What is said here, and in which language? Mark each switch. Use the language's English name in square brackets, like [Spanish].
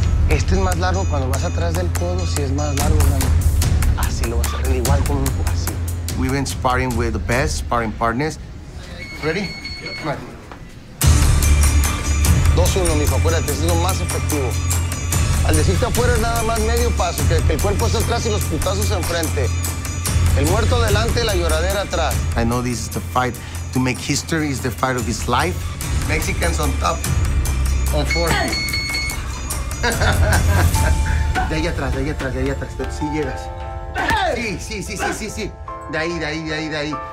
[Spanish] Este es más largo cuando vas atrás del codo, si es más largo, ¿verdad? Así lo vas a hacer, igual con un poco así. [English] We've been sparring with the best sparring partners. Ready? Come on. [Spanish] 2-1, mijo, acuérdate, es lo más efectivo. Al decirte afuera es nada más medio paso, que el cuerpo está atrás y los putazos enfrente. El muerto delante, la lloradera atrás. [English] I know this is the fight to make history, is the fight of his life. Mexicans on top, on four. [Spanish] De ahí atrás, de ahí atrás, de ahí atrás. Sí llegas. Sí, sí, sí, sí, sí, sí. De ahí, de ahí, de ahí, de ahí.